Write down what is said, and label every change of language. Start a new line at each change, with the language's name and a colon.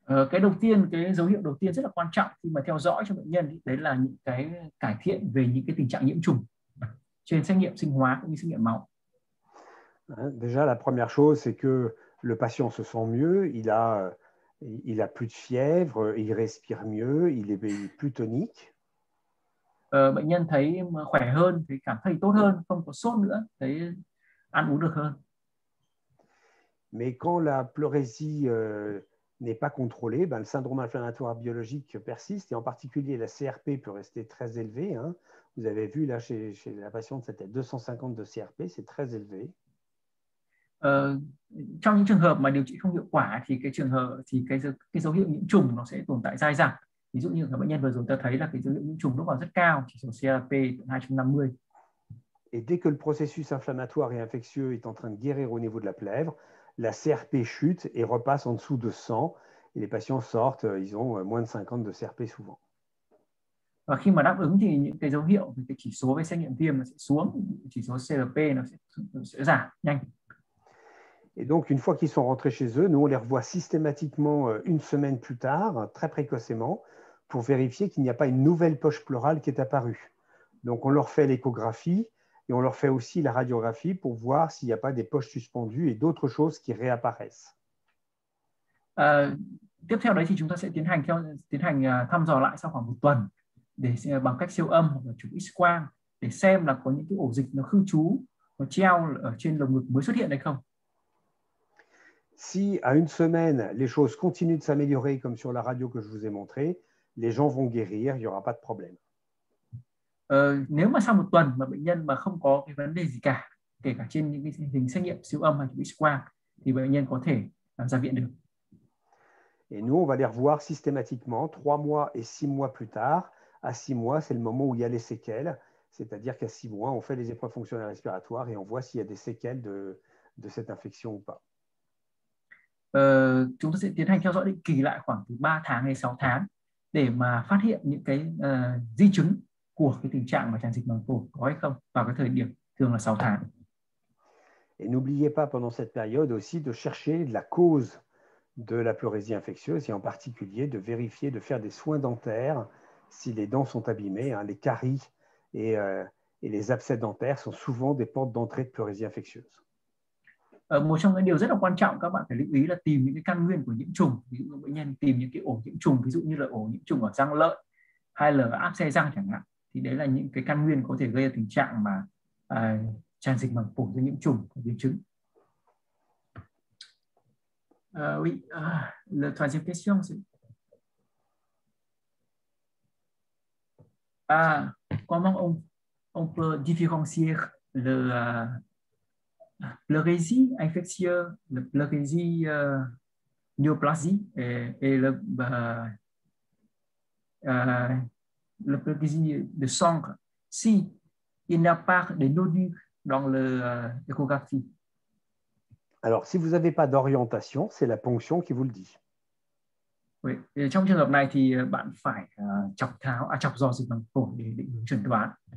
Vietnamese: Cái đầu tiên, cái dấu hiệu đầu tiên rất là quan trọng khi mà theo dõi cho bệnh nhân đấy là những cái cải thiện về những cái tình trạng nhiễm trùng trên xét nghiệm sinh hóa cũng như xét nghiệm máu.
French: Déjà, la première chose, c'est que le patient se sent mieux, il a plus de fièvre, il respire mieux, il est plus tonique.
Vietnamese: Bệnh nhân thấy khỏe hơn, thấy cảm thấy tốt hơn, không có sốt nữa, thấy ăn uống được hơn.
French: Mais quand la pleurésie n'est pas contrôlée, le syndrome inflammatoire biologique persiste et en particulier la CRP peut rester très élevée. Hein. Vous avez vu là chez la patiente, c'était 250 de CRP, c'est très élevé.
Vietnamese: Trong những trường hợp mà điều trị không hiệu quả thì cái trường hợp thì cái dấu hiệu nhiễm trùng nó sẽ tồn tại dai dẳng. Ví dụ như là bệnh nhân vừa rồi ta thấy là cái dấu hiệu nhiễm trùng nó còn rất cao, chỉ số CRP 250.
French: Et dès que le processus inflammatoire et infectieux est en train de guérir au niveau de la plèvre, la CRP chute et repasse en dessous de 100. Et les patients sortent, ils ont moins de 50 de CRP souvent.
Vietnamese: Và khi mà đáp ứng thì những cái dấu hiệu về cái chỉ số về xét nghiệm viêm nó sẽ xuống, chỉ số CRP nó sẽ giảm nhanh.
French: Et donc, une fois qu'ils sont rentrés chez eux, nous, on les revoit systématiquement une semaine plus tard, très précocement, pour vérifier qu'il n'y a pas une nouvelle poche pleurale qui est apparue. Donc, on leur fait l'échographie et on leur fait aussi la radiographie pour voir s'il n'y a pas des poches suspendues et d'autres choses qui réapparaissent.
Vietnamese: Tiếp theo đấy thì chúng ta sẽ tiến hành thăm dò lại sau khoảng một tuần để bằng cách siêu âm hoặc là chụp X-quang để xem là có những cái ổ dịch nó khư trú, nó treo ở trên lồng ngực mới xuất hiện hay không.
French: Si à une semaine, les choses continuent de s'améliorer comme sur la radio que je vous ai montré, les gens vont guérir, il n'y aura pas de problème.
Vietnamese: Nếu mà sau một tuần mà bệnh nhân mà không có cái vấn đề gì cả, kể cả trên những cái hình xét nghiệm siêu âm hay X-quang, thì bệnh nhân có thể ra viện được.
French: Et nous, on va les revoir systématiquement 3 mois et 6 mois plus tard. À 6 mois, c'est le moment où il y a les séquelles, c'est-à-dire qu'à 6 mois, on fait les épreuves fonctionnelles respiratoires et on voit s'il y a des séquelles de cette infection ou pas.
Vietnamese: Chúng ta sẽ tiến hành theo dõi định kỳ lại khoảng từ 3 tháng hay 6 tháng để mà phát hiện những cái di chứng của cái tình trạng mà tràn dịch màng phổi có hay không vào cái thời điểm thường là 6 tháng.
French: Et n'oubliez pas pendant cette période aussi de chercher la cause de la pleurésie infectieuse et en particulier de vérifier, de faire des soins dentaires si les dents sont abîmées, hein, les caries et les abcès dentaires sont souvent des portes d'entrée de pleurésie infectieuse.
Vietnamese: Một trong những điều rất là quan trọng các bạn phải lưu ý là tìm những cái căn nguyên của nhiễm trùng, ví dụ như bệnh nhân tìm những cái ổ nhiễm trùng, ví dụ như là ổ nhiễm trùng ở răng lợi hay là áp xe răng chẳng hạn, thì đấy là những cái căn nguyên có thể gây ra tình trạng mà tràn dịch màng phổi do nhiễm trùng và biến chứng.
French: Oui, la troisième question. Comment on peut différencier le pleurésie infectieuse, la pleurésie néoplasie et la pleurésie de sang si il n'y a pas de nodules dans l'échographie. Alors, si vous n'avez pas d'orientation, c'est la ponction qui vous le dit. Oui, et
Vietnamese: trong trường hợp này thì bạn phải chọc tháo, chọc do dịch màng phổi để định hướng chẩn đoán.